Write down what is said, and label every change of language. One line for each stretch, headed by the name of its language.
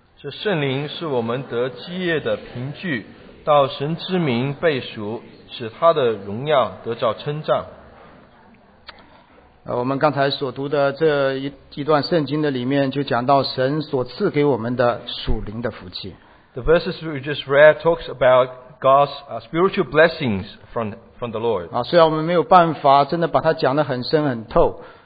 Chinese: 这圣灵是我们得基业的凭据，到神之名被赎，使他的荣耀得着称赞。我们刚才所读的这一段圣经的里面，就讲到神所赐给我们的属灵的福气。
English: The verses we just read talks aboutGod's spiritual blessings from the Lord.
Chinese: 虽然我们没有办法真的把它讲得很深很透。